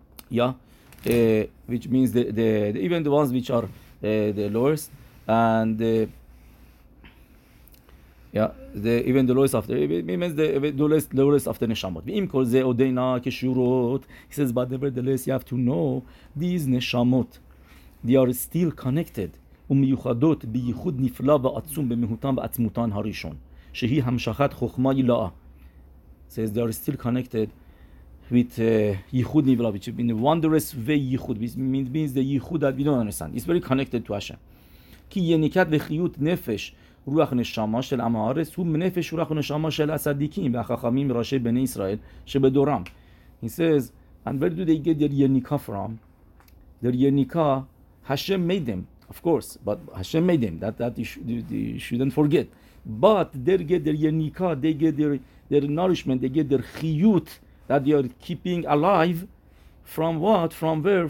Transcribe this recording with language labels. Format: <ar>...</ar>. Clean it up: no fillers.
<en>Yeah, which means the even the ones which are the lowest and even the lowest of the, it means the lowest of the neshamot. He says, but nevertheless, you have to know these neshamot, they are still connected.</en> <he>ומיוחדות בייחוד נפלא ועצום במהותם ועצמותן הראשון, שהיא המשכת חוכמה עילאה.</he> <en>Says they are still connected with</en> <he>ייחוד נפלא,</he> <en>which means the wondrous way ייחוד, which means the ייחוד that we don't understand. It's very connected to Hashem.</en> <he>כי יניקת וחיות נפש, רוח נשמה של עם הארץ, הוא נפש רוח נשמה של הצדיקים והחכמים ראשי בני ישראל שבדורם.</he> <en>He says, and where do they get their yenika from? Their yenika, Hashem made them. Of course, but Hashem made them. That you shouldn't forget. But they get their yenika, they get their nourishment, they get their chiyut that they are keeping alive. From what? From where?</en>